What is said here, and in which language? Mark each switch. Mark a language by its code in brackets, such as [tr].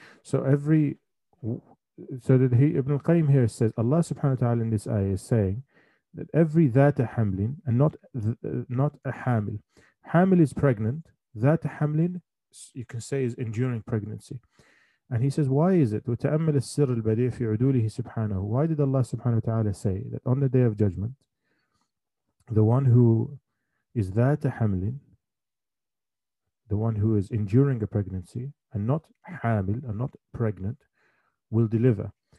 [en] So Ibn al-Qayyim here says, Allah subhanahu wa ta'ala in this ayah is saying that every ذَاتَ حَمْلٍ, and not a حَامِل. حَامِل is pregnant. ذَاتَ حَمْلٍ, you can say, is enduring pregnancy. And he says, why is it? [ar] وتأمل السر البديع في عدوله سبحانه. [en] Why did Allah subhanahu wa ta'ala say that on the day of judgment, the one who is ذات حمل, the one who is enduring a pregnancy, and not حامل, and not pregnant, will deliver.